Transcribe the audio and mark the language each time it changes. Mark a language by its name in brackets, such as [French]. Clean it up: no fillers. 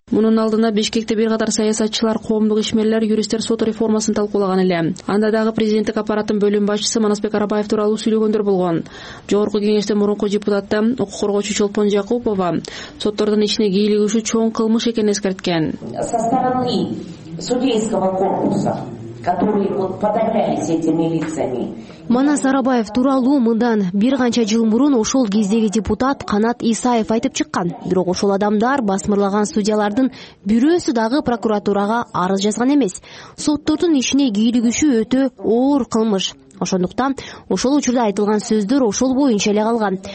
[Kyrgyz] Мунун алдында Бишкекте бир катар саясатчылар, коомдук ишмерлер, юристтер сот реформасын талкуулаган эле. Анда дагы президенттик аппараттын бөлүм башчысы Манасбек Арабаев тууралуу сүйлөгөндөр болгон. Жогорку кеңештин мурунку депутаты, укук коргоочу Чолпон Жакупова соттордун ичине кийлигүүсү чоң кылмыш экенин эскерткен. [Russian] Со стороны судейского корпуса, которые подавлялись этими лицами. [Kyrgyz] Манас Арабаев тууралуу мындан бир канча жыл мурун ошол кездеги депутат Канат Исаев айтып чыккан. Бирок ошол адамдар басмырлаган судьялардын бирөөсү дагы прокуратурага арыз жазган эмес. Соттордун ишине кийлигүүсү өтө оор кылмыш. Ошондуктан ошол учурда айтылган сөздөр ошол боюнча эле калган.